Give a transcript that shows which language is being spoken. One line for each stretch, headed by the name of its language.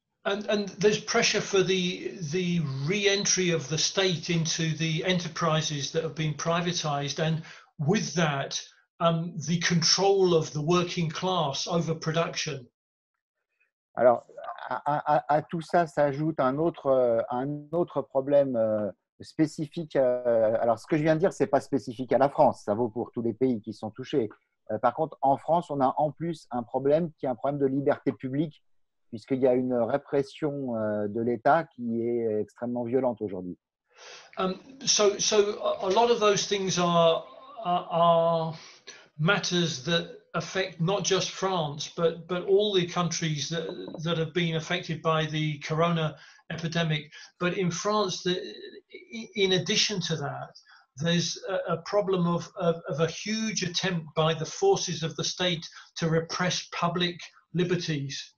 English: And there's pressure for the re-entry of the state into the enterprises that have been privatized, and with that, the control of the working class over production.
French: Alors, à tout ça s'ajoute un autre problème spécifique. Alors, ce que je viens de dire, c'est pas spécifique à la France, ça vaut pour tous les pays qui sont touchés. Par contre, en France, on a en plus un problème qui est un problème de liberté publique, puisqu'il y a une répression de l'État qui est extrêmement violente aujourd'hui.
English: So a lot of those things are matters that affect not just France, but all the countries that have been affected by the corona epidemic. But in France, in addition to that, there's a problem of a huge attempt by the forces of the state to repress public liberties.